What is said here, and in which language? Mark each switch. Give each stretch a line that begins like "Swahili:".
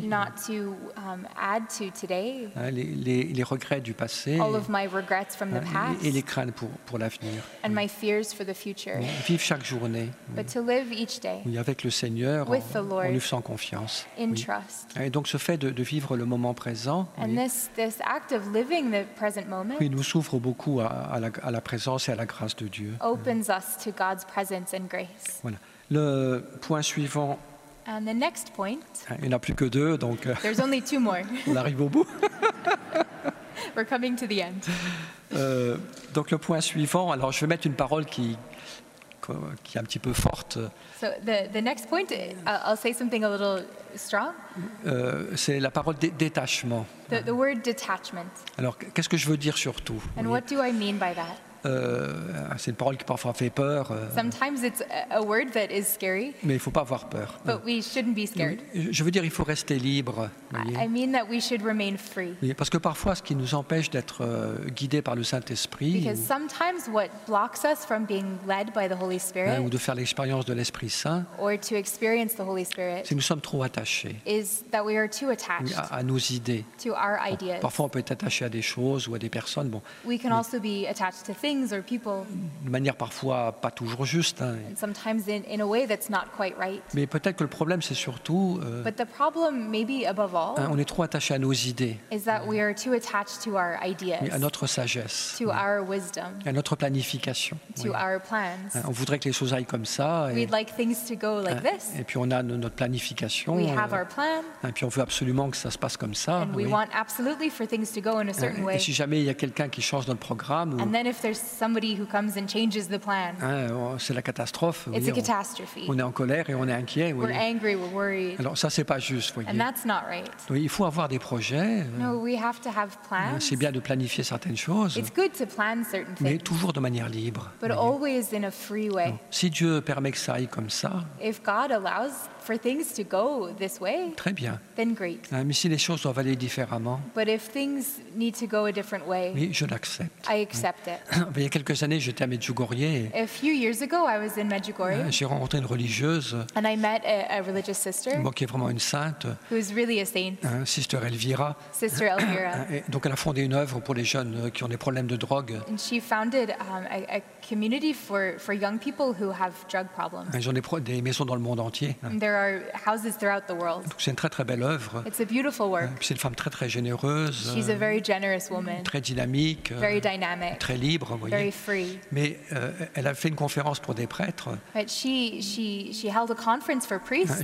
English: Not to add to today.
French: Les regrets du passé.
English: All of my regrets from the past.
French: Et les craintes pour l'avenir.
English: And my fears for the future.
French: Vivre chaque journée.
English: But to live each day.
French: Oui, avec le Seigneur,
English: with the Lord,
French: en lui faisant confiance.
English: In trust.
French: Et donc ce fait de vivre le moment présent.
English: And this act of living the present moment.
French: Oui, nous ouvre beaucoup à la présence et à la grâce de Dieu.
English: Opens us to God's presence and grace.
French: Voilà. Le point suivant.
English: And the next point.
French: Il n'y en a plus que deux, donc.
English: There's only two more.
French: On arrive au bout.
English: We're coming to the end.
French: Donc le point suivant. Alors je vais mettre une parole qui est un petit peu forte.
English: So the next point, I'll say something a little strong.
French: C'est la parole détachement.
English: The word detachment.
French: Alors qu'est-ce que je veux dire surtout?
English: And what do I mean by that?
French: C'est une parole qui parfois fait peur.
English: Sometimes it's a word that is scary.
French: Mais il ne faut pas avoir peur.
English: But we shouldn't be scared.
French: Je veux dire, il faut rester libre.
English: I mean that we should remain free.
French: Parce que parfois, ce qui nous empêche d'être guidés par le Saint-Esprit.
English: Because sometimes what blocks us from being led by the Holy Spirit.
French: Ou de faire l'expérience de l'Esprit Saint.
English: Or to experience the Holy Spirit.
French: C'est que nous sommes trop attachés.
English: Is that we are too attached.
French: À nos idées.
English: To our ideas.
French: Bon, parfois, on peut être attaché à des choses ou à des personnes. Bon.
English: We can also be attached to things or people.
French: De manière parfois pas toujours juste.
English: Sometimes in a way that's not quite right.
French: Mais peut-être que le problème c'est surtout.
English: But the problem maybe above all.
French: On est trop attaché à nos idées.
English: Is that we are too attached to our ideas.
French: À notre sagesse.
English: To our wisdom.
French: À notre planification.
English: To our plans.
French: On voudrait que les choses aillent comme ça.
English: We'd like things to go like this.
French: Et puis on a notre planification.
English: We have our plan.
French: Et puis on veut absolument que ça se passe comme ça.
English: And we want absolutely for things to go in a certain way.
French: Et si jamais il y a quelqu'un qui change notre programme.
English: And then if there's somebody who comes and changes the plan.
French: C'est la catastrophe.
English: It's a catastrophe.
French: On est en colère et on est inquiet.
English: We're angry, we're worried.
French: Alors ça, c'est pas juste. Voyez.
English: And that's not right.
French: Donc, il faut avoir des projets.
English: No, we have to have plans.
French: C'est bien de planifier certaines choses.
English: It's good to plan certain things.
French: Mais toujours de manière libre.
English: But always in a free way.
French: Donc, si Dieu permet que ça aille comme ça.
English: If God allows for things to go this way,
French: très bien.
English: Then great.
French: Mais si les choses doivent aller différemment,
English: but if things need to go a different way,
French: oui, je l'accepte.
English: I accept it.
French: Il y a quelques années, j'étais à Medjugorje.
English: A few years ago, I was in Medjugorje.
French: J'ai rencontré une religieuse.
English: And I met a religious sister.
French: Moi, qui est vraiment une sainte.
English: Who is really a saint. Sister Elvira. Sister Elvira.
French: Donc, elle a fondé une œuvre pour les jeunes qui ont des problèmes de drogue.
English: And she founded a community for young people who have drug problems.
French: Ils ont des maisons dans le monde entier.
English: There are houses throughout the world.
French: Donc, c'est une très très belle œuvre.
English: It's a beautiful work.
French: C'est une femme très très généreuse.
English: She's a very generous woman.
French: Très dynamique.
English: Very dynamic.
French: Très libre, vous voyez.
English: Very free.
French: Mais elle a fait une conférence pour des prêtres.
English: But she held a conference for priests.